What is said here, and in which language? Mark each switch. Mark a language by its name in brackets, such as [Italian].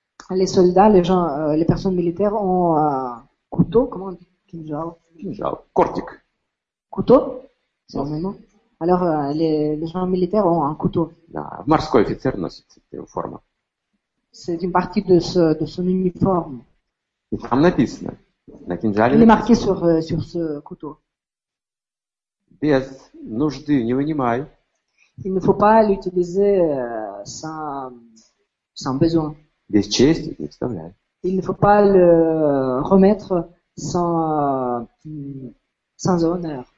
[French] Les soldats, les gens, les personnes militaires ont couteau, comment on dit [Russian] кинжал? Кинжал, кортик. [French] Couteau? C'est le nom. Alors les gens militaires ont un couteau. [Russian] Да, морской офицер носит [French] cette forme. C'est une partie de son uniforme. Et [Russian] там написано, на кинжале. [French] Il est marqué sur ce couteau. [Russian] Без нужды не вынимай. [French] Il ne faut pas l'utiliser sans besoin. [Russian] Без чести не вставляй. [French] Il ne faut pas le remettre sans honneur.